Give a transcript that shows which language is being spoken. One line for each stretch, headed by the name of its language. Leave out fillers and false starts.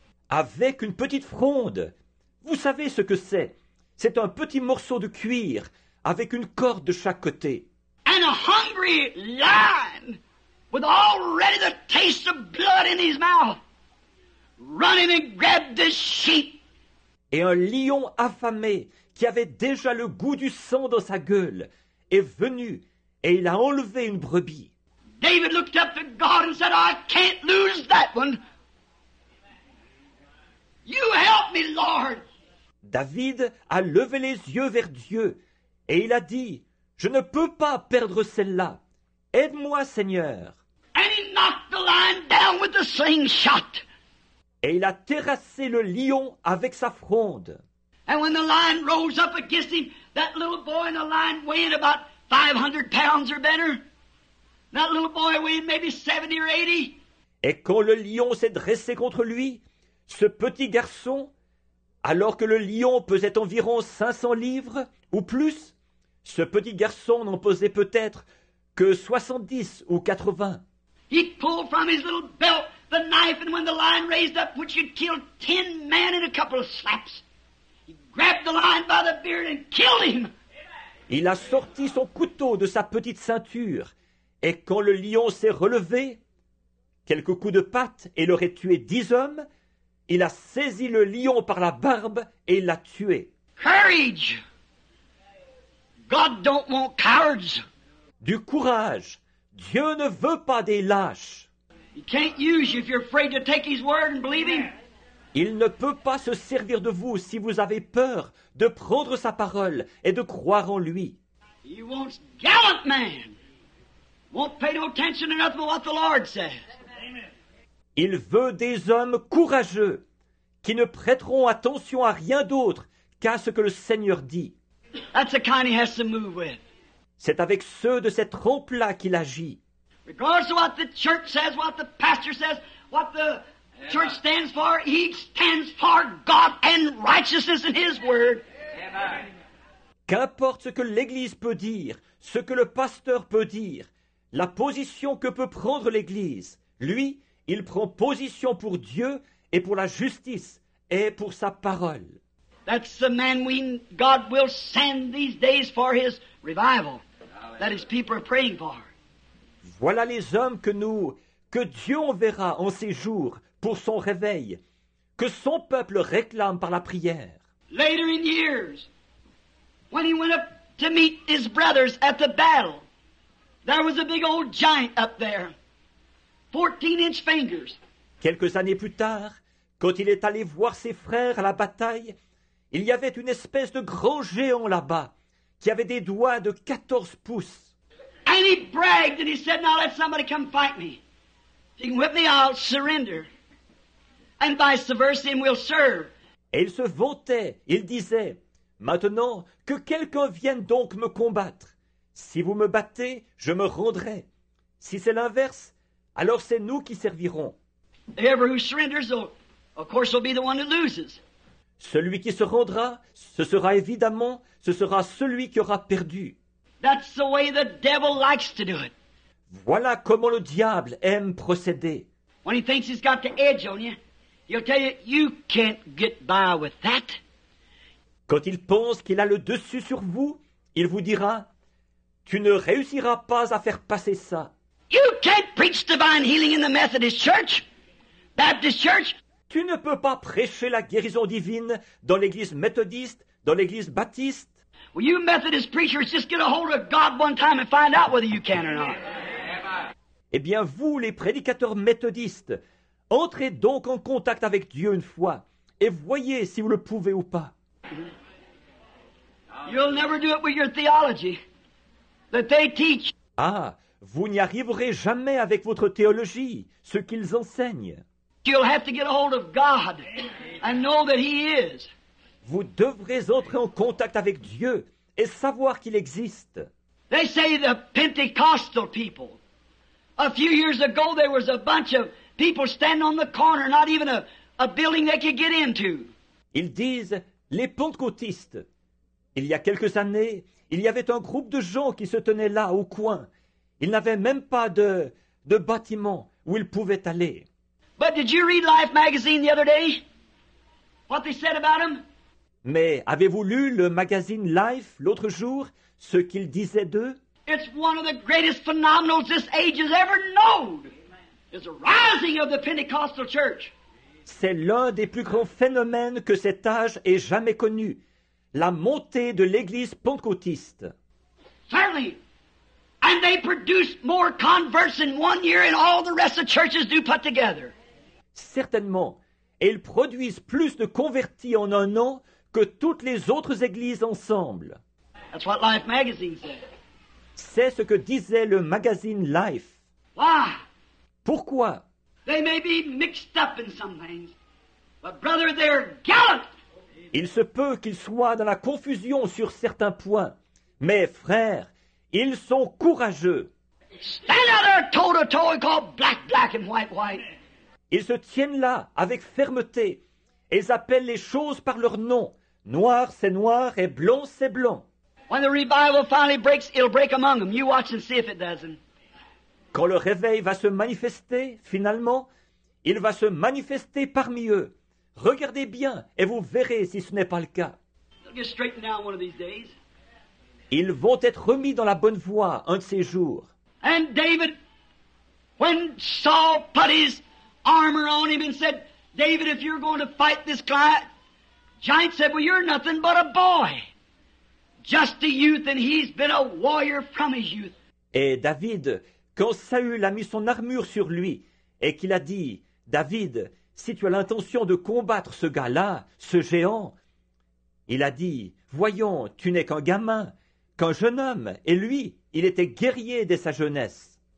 French: Avec une petite fronde. Vous savez ce que c'est. C'est un petit morceau de cuir avec une corde de chaque côté.
English: And a hungry lion with already the taste of blood in his mouth running and grabbed the sheep.
French: Et un lion affamé qui avait déjà le goût du sang dans sa gueule est venu et il a enlevé une brebis.
English: David looked up to God and said, I can't lose that one. You help me, Lord.
French: David a levé les yeux vers Dieu et il a dit, je ne peux pas perdre celle-là. Aide-moi, Seigneur.
English: And he knocked the lion down with the slingshot.
French: Et il a terrassé le lion avec sa fronde.
English: And when the lion rose up against him, that little boy and the lion weighed about 500 pounds or better. That little boy weighed maybe 70 or 80.
French: Et quand le lion s'est dressé contre lui, ce petit garçon, alors que le lion pesait environ 500 livres ou plus, ce petit garçon n'en pesait peut-être que 70 ou 80.
English: He pulled from his little belt the knife, and when the lion raised up, which could kill 10 men in a couple of slaps, he grabbed the lion by the beard and killed him.
French: Il a sorti son couteau de sa petite ceinture, et quand le lion s'est relevé, quelques coups de patte, et il aurait tué 10 hommes, il a saisi le lion par la barbe et l'a tué.
English: Courage! God don't want cowards.
French: Du courage! Dieu ne veut pas des lâches.
English: He can't use you if you're afraid to take his word and believe him.
French: Il ne peut pas se servir de vous si vous avez peur de prendre sa parole et de croire en lui.
English: He wants gallant men. Won't pay no attention to nothing but what the Lord says. Amen.
French: Il veut des hommes courageux qui ne prêteront attention à rien d'autre qu'à ce que le Seigneur dit.
English: That's the kind he has to move with.
French: C'est avec ceux de cette trempe-là qu'il agit.
English: Regardless of what the church says, what the pastor says, what the church stands for, he stands for God and righteousness in his word. Amen.
French: Qu'importe ce que l'Église peut dire, ce que le pasteur peut dire, la position que peut prendre l'Église, lui, il prend position pour Dieu et pour la justice et pour sa parole.
English: That's the man we God will send these days for his revival that his people are praying for.
French: Voilà les hommes que Dieu enverra en ces jours pour son réveil, que son peuple réclame par la prière.
English: Later in years, when he went up to meet his brothers at the battle, there was a big old giant up there, 14-inch fingers.
French: Quelques années plus tard, quand il est allé voir ses frères à la bataille, il y avait une espèce de grand géant là-bas, qui avait des doigts de 14 pouces.
English: And he bragged and he said, now let somebody come fight me. If you can whip me, I'll surrender. And vice versa, and we'll serve.
French: Et il se vantait, il disait, maintenant que quelqu'un vienne donc me combattre. Si vous me battez, je me rendrai. Si c'est l'inverse, alors c'est nous qui servirons.
English: Whoever who surrenders, of course, will be the one who loses.
French: Celui qui se rendra, ce sera évidemment, ce sera celui qui aura perdu.
English: That's the way the devil likes to do it.
French: Voilà comment le diable aime procéder.
English: When he thinks he's got the edge on you, he'll tell you, you can't get by with that.
French: Quand il pense qu'il a le dessus sur vous, il vous dira, tu ne réussiras pas à faire passer ça.
English: You can't preach divine healing in the Methodist Church, Baptist Church.
French: Tu ne peux pas prêcher la guérison divine dans l'église méthodiste, dans l'église baptiste.
English: Well, you Methodist preachers, just get a hold of God one time and find out whether you can or not.
French: Eh bien, vous, les prédicateurs méthodistes, entrez donc en contact avec Dieu une fois et voyez si vous le pouvez ou pas.
English: You'll never do it with your theology that they teach.
French: Ah, vous n'y arriverez jamais avec votre théologie, ce qu'ils enseignent.
English: You'll have to get a hold of God and know that He is.
French: Vous devrez entrer en contact avec Dieu et savoir qu'il existe.
English: They say the Pentecostal people. A few years ago, there was a bunch of people standing on the corner, not even a building they could get into.
French: Ils disent les pentecôtistes. Il y a quelques années, il y avait un groupe de gens qui se tenaient là, au coin. Ils n'avaient même pas de bâtiment où ils pouvaient aller.
English: But did you read Life magazine the other day? What they said about them?
French: Mais avez-vous lu le magazine Life l'autre jour, ce qu'ils disaient d'eux?
English: It's one of the greatest phenomenons this age has ever known. It's a rising of the Pentecostal church.
French: C'est l'un des plus grands phénomènes que cet âge ait jamais connu. La montée de l'église pentecôtiste.
English: Certainly. And they produce more converts in one year than all the rest of churches do put together.
French: Certainement. Et ils produisent plus de convertis en un an que toutes les autres églises ensemble.
English: That's what Life magazine said.
French: C'est ce que disait le magazine Life.
English: Why?
French: Pourquoi?
English: They may be mixed up in some things, but brother, they're gallant.
French: Il se peut qu'ils soient dans la confusion sur certains points, mais frère, ils sont courageux.
English: Stand out there toe to toe and call black, black and white, white.
French: Ils se tiennent là avec fermeté. Ils appellent les choses par leur nom. Noir, c'est noir et blanc, c'est blanc.
English: When the revival finally breaks, it'll break among them. You watch and see if it doesn't.
French: Quand le réveil va se manifester, finalement, il va se manifester parmi eux. Regardez bien et vous verrez si ce n'est pas le cas.
English: They'll get straightened out one of these days.
French: Ils vont être remis dans la bonne voie un de ces jours.
English: And David, when Saul put his armor on him and said, David, if you're going to fight this giant, said, well, you're nothing but a boy. Just a youth, and he's been a warrior from his youth.
French: Et David, quand Saül a mis son armure sur lui, et qu'il a dit, David, si tu as l'intention de combattre ce gars-là, ce géant, il a dit, voyons, tu n'es qu'un gamin, qu'un jeune homme, et lui, il était guerrier dès sa jeunesse.